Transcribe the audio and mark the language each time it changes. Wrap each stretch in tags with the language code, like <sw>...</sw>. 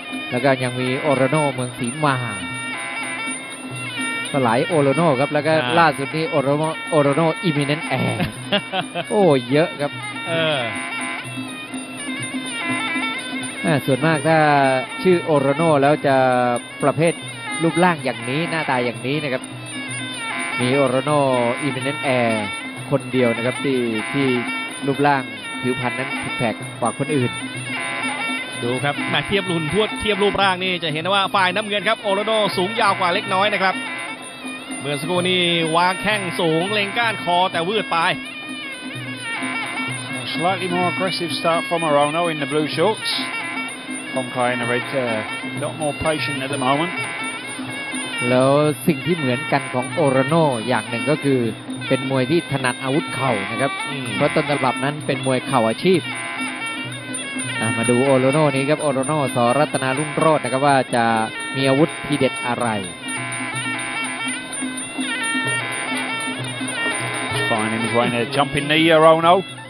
<th>แล้วก็ยังมีโอโรโน่เมืองสีมาก็หลายโอโรโน่ครับแล้วก็ล่าสุดนี่โอโรโน่อิมิเนนต์แอร์โอ้เยอะครับส่วนมากถ้าชื่อโอโรโน่แล้วจะประเภทรูปร่างอย่างนี้หน้าตาอย่างนี้นะครับมีโอโรโน่อิมิเนนต์แอร์คนเดียวนะครับที่รูปร่างผิวพรรณนั้นผิดแผกกว่าคนอื่น ดูครับแมตช์เทียบรุ่นทวดเทียบรูปร่างนี่จะเห็นว่าฝ่ายน้ำเงินครับโอโรโดสูงยาวกว่าเล็กน้อยนะครับเมื่อสักครู่นี้วางแข้งสูงเล็งก้านคอแต่วืดไป</th> <en>slightly more aggressive start from Arono in the blue shorts from Kai in the red a lot more patient at the moment</en> <th>แล้วสิ่งที่เหมือนกันของโอโรโน่อย่างหนึ่งก็คือเป็นมวยที่ถนัดอาวุธเข่านะครับเพราะต้นฉบับนั้นเป็นมวยเข่าอาชีพมาดูโอโรโน่นี้ครับโอโรโน่สรัตนารุ่งโรจน์นะครับว่าจะมีอาวุธที่เด็ดอะไร</th> <en>Finding his way in there, jumping knee Arono.</en>